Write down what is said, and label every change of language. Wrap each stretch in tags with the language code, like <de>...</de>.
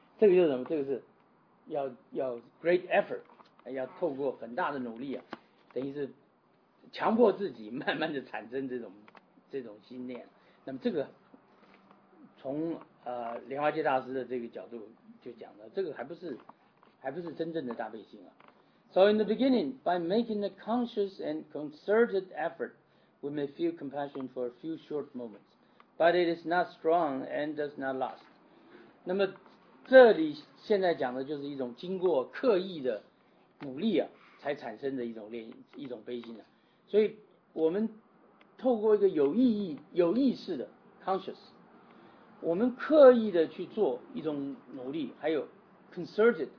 <zh>这个就是什么？这个是要</zh> <en>great effort，</en> <zh>要透过很大的努力啊，等于是强迫自己慢慢的产生这种心念。那么这个从莲花界大师的这个角度就讲了，这个还不是真正的大悲心啊。</zh> <en>So in the beginning, by making a conscious and concerted effort, we may feel compassion for a few short moments, but it is not strong and does not last.</en> <zh>那么这里现在讲的就是一种经过刻意的努力啊，才产生的一种悲心啊。所以我们透过一个有意义、有意识的 conscious， 我们刻意的去做一种努力，还有 concerted。</zh>